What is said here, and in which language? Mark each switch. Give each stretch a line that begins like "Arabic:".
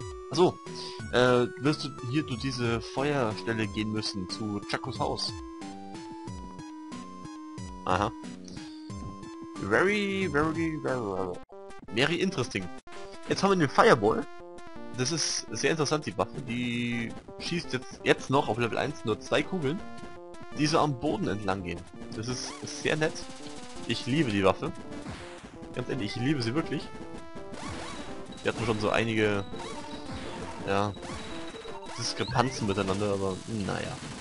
German: Achso. Wirst du hier durch diese Feuerstelle gehen müssen, zu Chacos Haus. Aha.
English: Very, very, very, very interesting.
German: Jetzt haben wir den Fireball. Das ist sehr interessant, die Waffe. Die schießt jetzt noch auf Level 1 nur 2 Kugeln, die so am Boden entlang gehen. Das ist sehr nett. Ich liebe die Waffe. Ganz ehrlich, ich liebe sie wirklich. Wir hatten schon so einige, ja, Diskrepanzen miteinander, aber naja.